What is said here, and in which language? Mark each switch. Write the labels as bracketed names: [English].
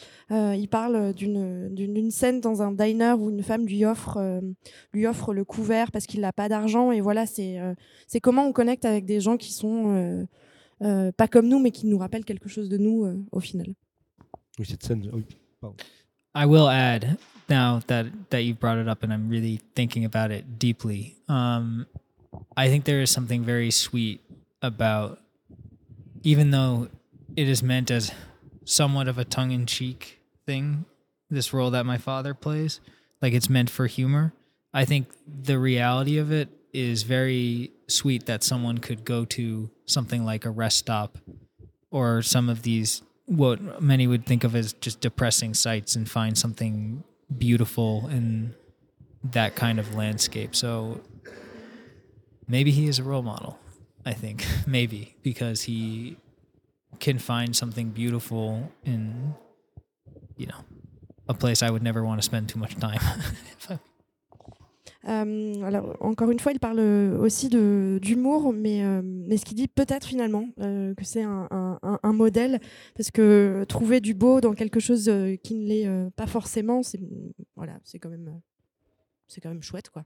[French] Il parle d'une scène dans un diner où une femme lui offre le couvert parce qu'il n'a pas d'argent. Et voilà, c'est comment on connecte avec des gens qui sont... pas comme nous, mais qui nous rappelle quelque chose de nous au final. Oui, cette scène. Oui. Pardon. [English] I will add now that you brought it up, and I'm really thinking about it deeply. I think there is something very sweet about, even though it is meant as somewhat of a tongue-in-cheek thing, this role that my father plays, like it's meant for humor. I think the reality of it is very sweet that someone could go to something like a rest stop or some of these, what many would think of as just depressing sights, and find something beautiful in that kind of landscape. So maybe he is a role model, I think, maybe, because he can find something beautiful in, you know, a place I would never want to spend too much time. [French] Alors, encore une fois, il parle aussi de, d'humour, mais ce qu'il dit peut-être finalement que c'est un modèle, parce que trouver du beau dans quelque chose qui ne l'est pas forcément, c'est quand même chouette, quoi.